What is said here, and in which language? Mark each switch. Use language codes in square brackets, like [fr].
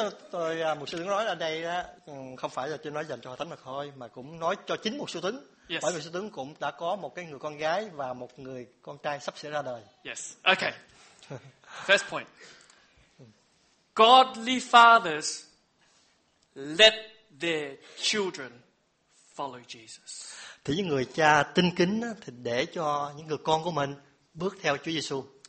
[vi] Tôi một sư thánh nói ở đây không phải là chỉ nói dành cho hội thánh mà thôi, mà cũng nói cho chính một sư thánh. [en] Yes. [vi] Bởi vì sư thánh cũng đã có một cái người con gái và một người con trai sắp sẽ ra đời. [en] Yes. Okay. First point. Godly fathers let their children follow Jesus. [vi] Thì những người cha tin kính thì để cho những người con của mình bước theo Chúa Giêsu.